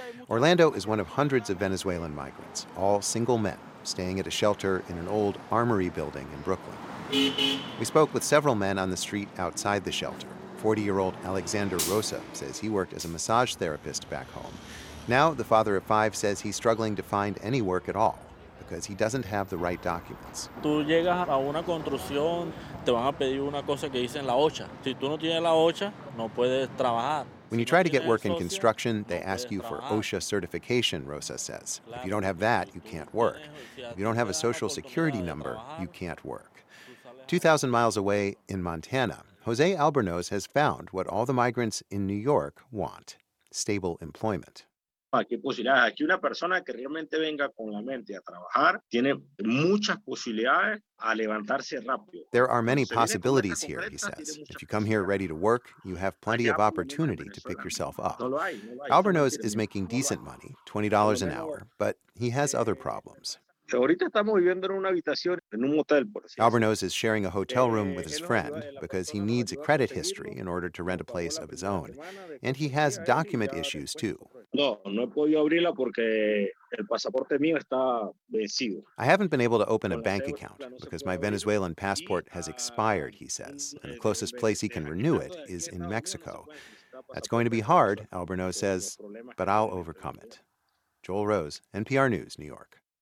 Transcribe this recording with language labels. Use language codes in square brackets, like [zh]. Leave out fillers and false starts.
[en] Orlando is one of hundreds of Venezuelan migrants, all single men, staying at a shelter in an old armory building in Brooklyn. We spoke with several men on the street outside the shelter. 40-year-old Alexander Rosa says he worked as a massage therapist back home. Now, the father of five says he's struggling to find any work at all because he doesn't have the right documents. [es] Tú llegas a una construcción, te van a pedir una cosa que dicen la hocha. Si tú no tienes la hocha, no puedes trabajar. [en] When you try to get work in construction, they ask you for OSHA certification, Rosa says. If you don't have that, you can't work. If you don't have a social security number, you can't work. 2,000 miles away in Montana, Jose Albernoz has found what all the migrants in New York want, stable employment. [es] Aquí hay posibilidades. Aquí una persona que realmente venga con la mente a trabajar tiene muchas posibilidades a levantarse rápido. [en] There are many possibilities here, he says. If you come here ready to work, you have plenty of opportunity to pick yourself up. Albernoz is making decent money, $20 an hour, but he has other problems. Albernoz is sharing a hotel room with his friend because he needs a credit history in order to rent a place of his own. And he has document issues, too. [es] No he podido abrirla porque el pasaporte mío está vencido. [en] I haven't been able to open a bank account because my Venezuelan passport has expired, he says, and the closest place he can renew it is in Mexico. That's going to be hard, Albernoz says, but I'll overcome it. Joel Rose, NPR News, New York.